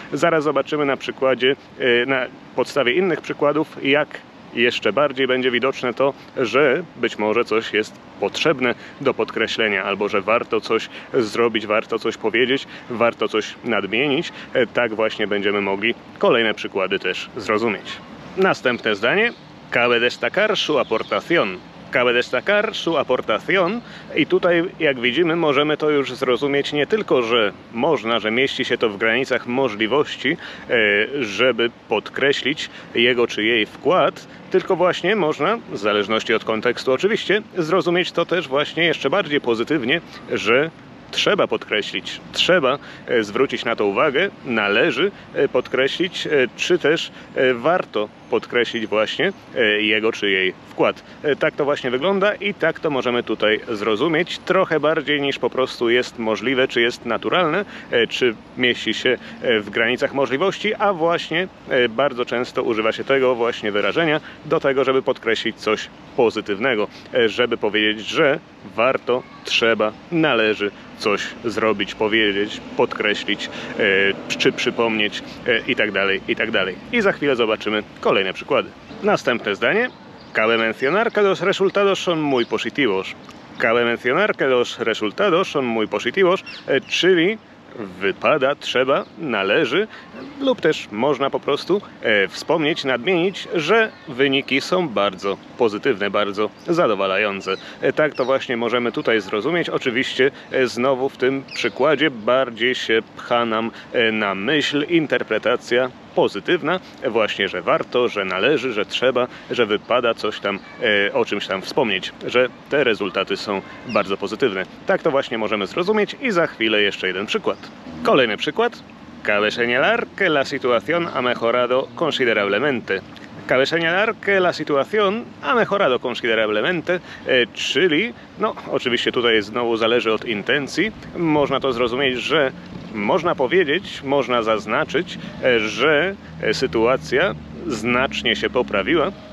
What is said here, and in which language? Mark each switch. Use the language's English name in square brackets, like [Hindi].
[Polish] Zaraz zobaczymy na przykładzie, na podstawie innych przykładów, jak jeszcze bardziej będzie widoczne to, że być może coś jest potrzebne do podkreślenia, albo że warto coś zrobić, warto coś powiedzieć, warto coś nadmienić. Tak właśnie będziemy mogli kolejne przykłady też zrozumieć. Następne zdanie. [Spanish] Cabe destacar su aportación. Cabe destacar su aportación. [Polish] I tutaj, jak widzimy, możemy to już zrozumieć nie tylko, że można, że mieści się to w granicach możliwości, żeby podkreślić jego czy jej wkład, tylko właśnie można, w zależności od kontekstu oczywiście, zrozumieć to też właśnie jeszcze bardziej pozytywnie, że trzeba podkreślić, trzeba zwrócić na to uwagę, należy podkreślić, czy też warto podkreślić właśnie jego czy jej wkład. Tak to właśnie wygląda i tak to możemy tutaj zrozumieć trochę bardziej niż po prostu jest możliwe, czy jest naturalne, czy mieści się w granicach możliwości, a właśnie bardzo często używa się tego właśnie wyrażenia do tego, żeby podkreślić coś pozytywnego, żeby powiedzieć, że warto, trzeba, należy coś zrobić, powiedzieć, podkreślić, czy przypomnieć i tak dalej, i tak dalej. I za chwilę zobaczymy kolejne przykłady. Następne zdanie. [Spanish] Cabe mencionar que los resultados son muy positivos. Cabe mencionar que los resultados son muy positivos, [Polish] czyli Wypada, trzeba, należy lub też można po prostu wspomnieć, nadmienić, że wyniki są bardzo pozytywne, bardzo zadowalające. Tak to właśnie możemy tutaj zrozumieć. Oczywiście znowu w tym przykładzie bardziej się pcha nam na myśl interpretacja pozytywna, właśnie, że warto, że należy, że trzeba, że wypada coś tam, o czymś tam wspomnieć, że te rezultaty są bardzo pozytywne. Tak to właśnie możemy zrozumieć i za chwilę jeszcze jeden przykład. Kolejny przykład. [Spanish] Cabe señalar que la situación ha mejorado considerablemente. Cabe señalar que la situación ha mejorado considerablemente, [Polish] czyli, no oczywiście tutaj znowu zależy od intencji, można to zrozumieć, że można powiedzieć, można zaznaczyć, że sytuacja znacznie się poprawiła.